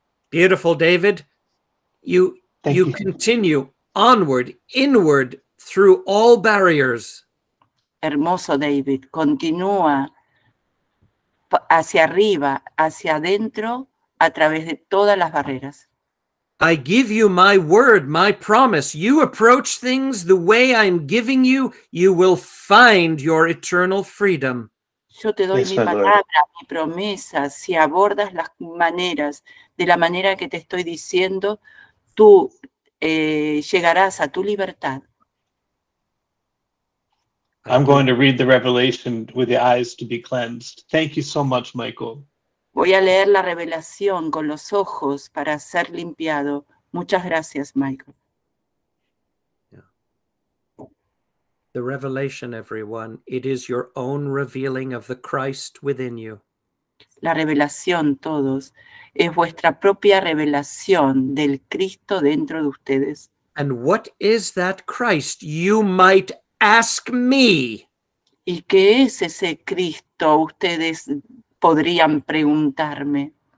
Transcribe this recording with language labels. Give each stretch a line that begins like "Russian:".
English: Beautiful, David. You continue onward, inward, through all barriers.
Spanish: Hermoso David, continúa hacia arriba, hacia adentro, a través de todas las barreras.
English: I give you my word, my promise. You approach things the way I'm giving you, you will find your eternal freedom.
Spanish: Yo te doy mi palabra, mi promesa. Si abordas las maneras de la manera que te estoy diciendo, tú llegarás a tu libertad.
English: I'm going to read the revelation with the eyes to be cleansed. Thank you so much, Michael.
Spanish: Voy a leer la revelación con los ojos para ser limpiado. Muchas gracias, Michael. Yeah.
English: The revelation, everyone, it is your own revealing of the Christ within you.
Spanish: La revelación, todos, es vuestra propia revelación del Cristo dentro de ustedes.
English: And what is that Christ? You might ask me.
Spanish: ¿Y qué es ese Cristo? Ustedes podrían preguntarme.